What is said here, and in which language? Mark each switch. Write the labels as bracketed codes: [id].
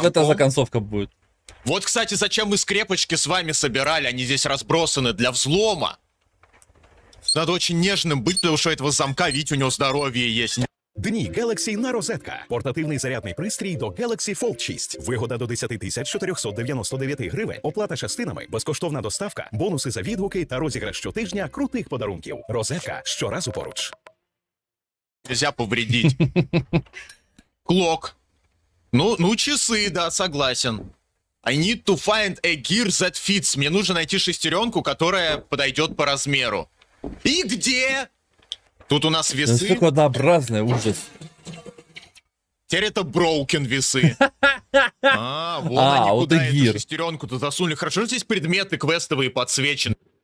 [ru] Что это за концовка будет? Вот, кстати, зачем мы скрепочки с вами собирали? Они здесь разбросаны для взлома. Надо очень нежным быть, потому что этого замка, видите, у него здоровье есть. [uk] Дні Galaxy на Розетка. Портативний зарядний пристрій до Galaxy Fold 6. Вигода до 10 499 гривень. Оплата частинами, безкоштовна доставка, бонуси за відгуки та розіграш щотижня крутих подарунків. Розетка. Щоразу поруч. [ru] Нельзя повредить. Клок. Ну, часы, да, согласен. [en] I need to find a gear that fits. [ru] Мне нужно найти шестеренку, которая подойдет по размеру. И где? Тут у нас весы. Насколько однообразная, ужас. Теперь это [en] broken [ru] весы. А, вот они куда эту шестеренку-то засунули. Хорошо, здесь предметы квестовые подсвечены.